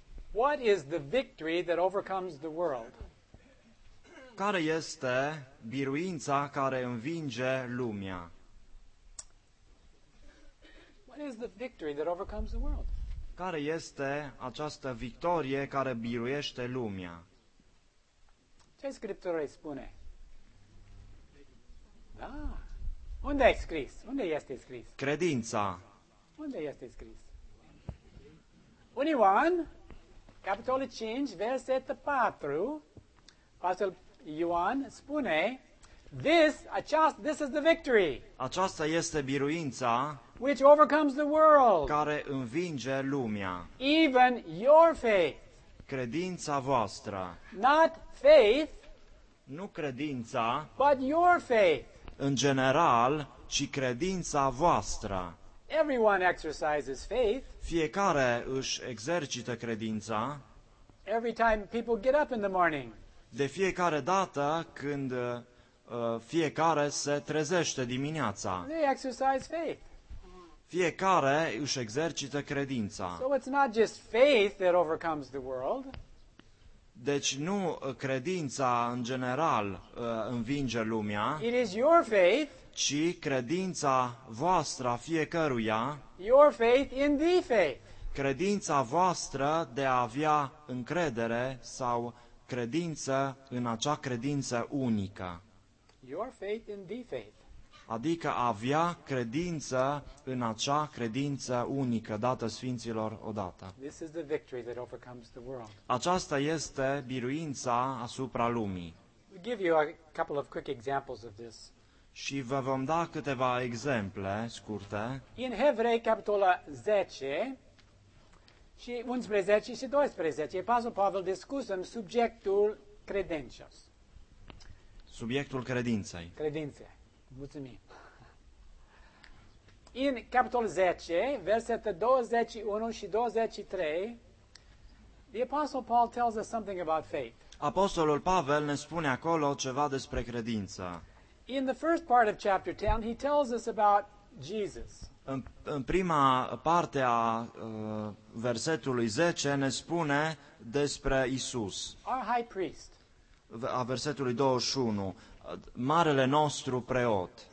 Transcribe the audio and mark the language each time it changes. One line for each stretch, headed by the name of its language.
English: What is the victory that overcomes the world?
Romanian: Care este biruința care învinge lumea?
English: What is the victory that overcomes the world?
Romanian: Care este această victorie care biruiește lumea? Ce Scriptura îi spune? Da. Unde e scris? Unde este scris? Credința. Unde este scris? Ioan, capitolul 5, versetul 4,
English: Apostle Ioan
Romanian: spune,
English: this is the victory.
Romanian: Aceasta este biruința
English: which overcomes the world.
Romanian: Care învinge lumea.
English: Even your faith.
Romanian: Credința voastră.
English: Not faith.
Romanian: Nu credința.
English: But your faith.
Romanian: În general, ci credința voastră.
English: Everyone exercises faith.
Romanian: Fiecare își exercită credința.
English: Every time people get up in the morning.
Romanian: De fiecare dată când fiecare se trezește dimineața.
English: They exercise faith.
Romanian: Fiecare își exercită credința.
English: So it's not just faith that overcomes the world.
Romanian: Deci nu credința în general învinge lumea.
English: It is your faith.
Romanian: Ci credința voastră a fiecăruia.
English: Your faith in the faith.
Romanian: Credința voastră de a avea încredere sau credință în acea credință unică.
English: Your faith in the faith.
Romanian: Adică avea credință în acea credință unică dată sfinților odată.
English: This is the victory that overcomes the world.
Romanian: Aceasta este biruința asupra lumii.
English: We'll give you a couple of quick examples of this.
Romanian: Și vă vom da câteva exemple scurte. În Evrei, capitolul 10 și 11 și 12, Apostolul Pavel discută subiectul credincios. Subiectul credinței. Credințe. Mulțumim. În capitolul 10, versetele 21 și 23,
English: the Apostle Paul tells us something about faith.
Romanian: Apostolul Pavel ne spune acolo ceva despre credință.
English: In the first part of chapter 10, he tells us about Jesus.
Romanian: În prima parte a versetului 10 ne spune despre Isus.
English: Our high priest.
Romanian: A versetului 21, marele nostru preot.